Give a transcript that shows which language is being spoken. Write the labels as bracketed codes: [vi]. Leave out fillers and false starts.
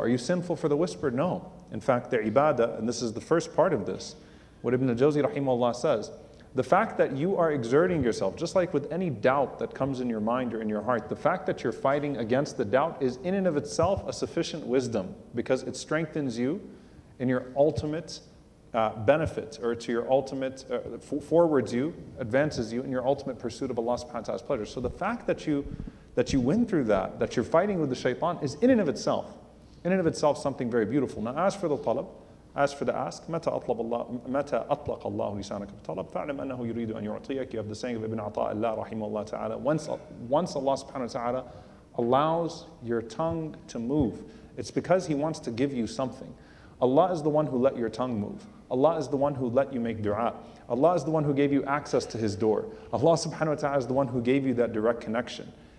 [en] Are you sinful for the whisper? No. In fact, the ibadah, and this is the first part of this, what Ibn al-Jawzi rahimahullah says, the fact that you are exerting yourself, just like with any doubt that comes in your mind or in your heart, the fact that you're fighting against the doubt is in and of itself a sufficient wisdom, because it strengthens you in your ultimate benefit, or to your ultimate, forwards you, advances you in your ultimate pursuit of Allah subhanahu wa ta'ala's pleasure. So the fact that you win through that, that you're fighting with the shaitan, is in and of itself something very beautiful. Now as for the talab, as for the ask, [ar] مَتَا أَطْلَقَ اللَّهُ لِسَانَكَ بِطَلَبٍ فَعْلَمْ أَنَّهُ يُرِيدُ أَنْ يُعْطِيَكَ. [en] You have the saying of Ibn Ata'a Allah [ar] رحمه الله تعالى, [en] once Allah subhanahu wa ta'ala allows your tongue to move, it's because He wants to give you something. Allah is the one who let your tongue move. Allah is the one who let you make dua. Allah is the one who gave you access to His door. Allah subhanahu wa ta'ala is the one who gave you that direct connection.